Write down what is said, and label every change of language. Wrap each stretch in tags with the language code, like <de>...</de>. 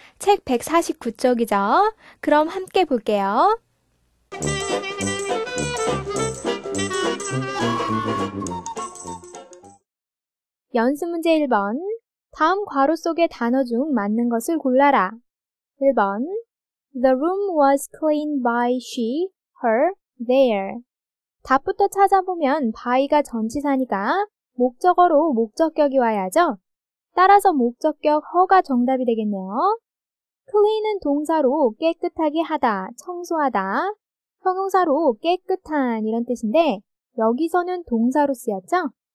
<ko>책 149쪽이죠? 그럼 함께 볼게요. 연습 문제 1번. 다음 괄호 속의 단어 중 맞는 것을 골라라. 1번.</ko> <en>The room was cleaned by she, her, there.</en> <ko>답부터 찾아보면 by가 전치사니까 목적어로 목적격이 와야죠. 따라서 목적격 her가 정답이 되겠네요. clean은 동사로 깨끗하게 하다, 청소하다, 형용사로 깨끗한 이런 뜻인데 여기서는 동사로 쓰였죠.</ko>